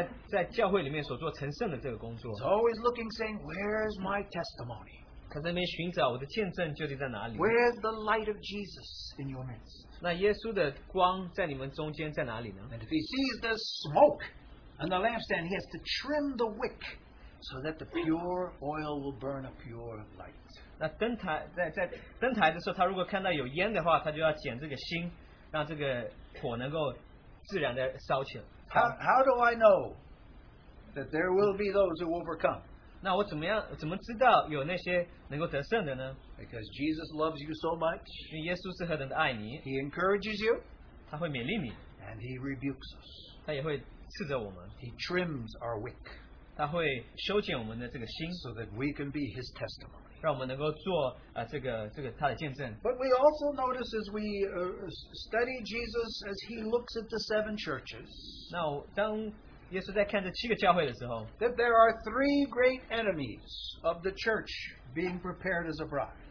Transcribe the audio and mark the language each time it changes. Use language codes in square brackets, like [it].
[zh] 但是耶稣是一个祭司，在那边寻找这个圣灵在教会里面所做成圣的这个工作。 [en] He's always looking, saying, "Where's my testimony?" [zh] 他在那边寻找我的见证究竟在哪里？ [en] Where's the light of Jesus in your midst? [zh] 那耶稣的光在你们中间在哪里呢？ [en] And if he sees the smoke on the lampstand, he has to trim the wick so that the pure oil will burn a pure light. [zh] 那灯台在灯台的时候，他如果看到有烟的话，他就要捡这个心，让这个火能够自然的烧起来。 [en] How do I know that there will be those who overcome? [zh] 那我怎么知道有那些能够得胜的呢? [en] Because Jesus loves you so much. [zh] 因为耶稣是何等的爱你, [en] he encourages you. [zh] 他会勉励你, [en] and he rebukes us. [zh] 他也会斥责我们, [en] he trims our wick. [zh] 他会修剪我们的这个心, [en] so that we can be his testimony. [zh] 让我们能够做这个他的见证。 [en] But we also notice as we study Jesus as he looks at the seven churches. [zh] 那当 耶稣在看这七个教会的时候, [en] that there are three great enemies of the church being prepared as a bride.